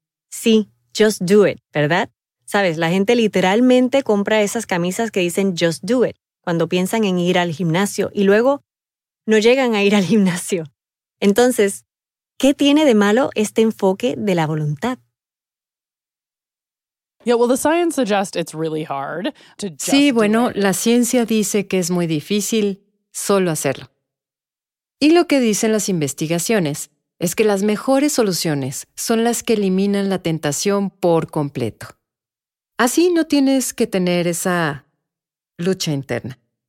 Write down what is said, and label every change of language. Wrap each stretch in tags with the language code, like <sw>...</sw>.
<es>Sí,</es> <en>just do it,</en> <es>¿verdad? Sabes, la gente literalmente compra esas camisas que dicen</es> <en>just do it</en> <es>cuando piensan en ir al gimnasio y luego no llegan a ir al gimnasio. Entonces, ¿qué tiene de malo este enfoque de la voluntad?</es> <en>Yeah, well, the science suggests it's really hard to just</en> <es>Sí, bueno, la ciencia dice que es muy difícil solo hacerlo. Y lo que dicen las investigaciones es que las mejores soluciones son las que eliminan la tentación por completo. Así no tienes que tener esa lucha interna.</es>